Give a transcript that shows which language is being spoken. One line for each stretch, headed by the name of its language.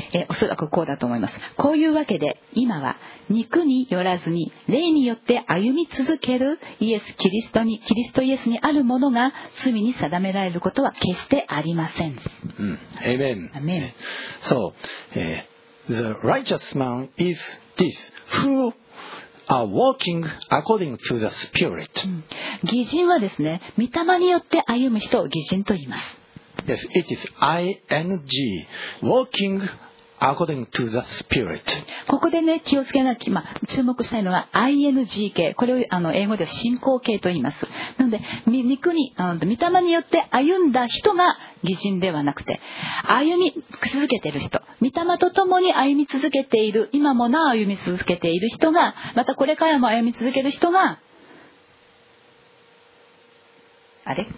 Japanese: おそらくこうだと思います。こういうわけで今は肉によらずに霊によって歩み続けるイエス・キリストにキリストイエスにあるものが罪に定められることは決してありません。
English: Amen. Amen. So, the righteous man is this who are walking according to the spirit.
Japanese: 義人はですね、御霊によって歩む人を義人と言います。
English: Yes, it is ing, walking according to the spirit.
Japanese: ここでね、気をつけなきゃ、注目したいのが ing 形。これを英語では進行形と言います。なので、肉に、御霊によって歩んだ人が義人ではなくて、歩み続けている人、御霊とともに歩み続けている、今もなお歩み続けている人が、またこれからも歩み続ける人が、あれ？